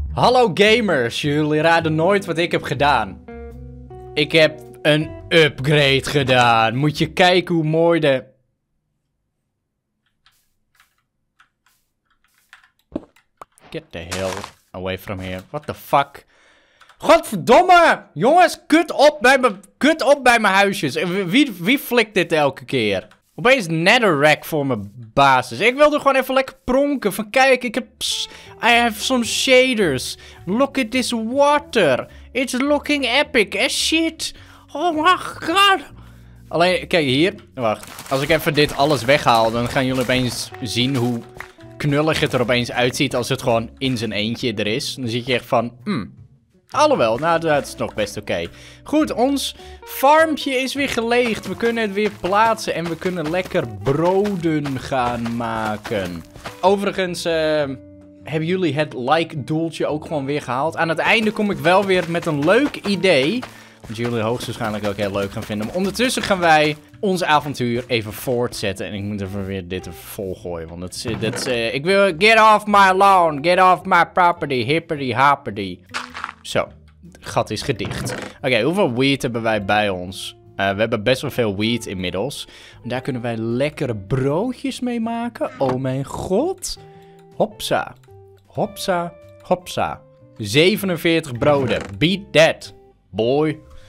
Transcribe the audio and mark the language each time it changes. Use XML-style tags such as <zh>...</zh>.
<nl>Hallo gamers, jullie raden nooit wat ik heb gedaan. Ik heb een upgrade gedaan. Moet je kijken hoe mooi de...</nl> <en>Get the hell away from here. What the fuck?</en> <nl>Godverdomme! Jongens, kut op bij mijn huisjes. Wie flikt dit elke keer? Opeens netherrack voor mijn basis. Ik wilde gewoon even lekker pronken. Van kijk, ik heb...</nl> <en>I have some shaders. Look at this water. It's looking epic as shit. Oh my god.</en> <nl>Alleen, kijk hier. Wacht. Als ik even dit alles weghaal, dan gaan jullie opeens zien hoe knullig het er opeens uitziet als het gewoon in zijn eentje er is. Dan zie je echt van... Alhoewel, nou dat is nog best oké. Goed, ons farmpje is weer geleegd. We kunnen het weer plaatsen en we kunnen lekker broden gaan maken. Overigens, hebben jullie het like-doeltje ook gewoon weer gehaald? Aan het einde kom ik wel weer met een leuk idee. Wat jullie hoogstwaarschijnlijk ook heel leuk gaan vinden. Maar ondertussen gaan wij ons avontuur even voortzetten. En ik moet even weer dit volgooien. Want ik wil...</nl> <en>Get off my lawn, get off my property, hippity hoppity.</en> <nl>Zo, gat is gedicht. Oké, hoeveel wheat hebben wij bij ons? We hebben best wel veel wheat inmiddels. Daar kunnen wij lekkere broodjes mee maken. Oh mijn god. Hopsa. Hopsa. Hopsa. 47 broden.</nl> <en>Beat that, boy.</en>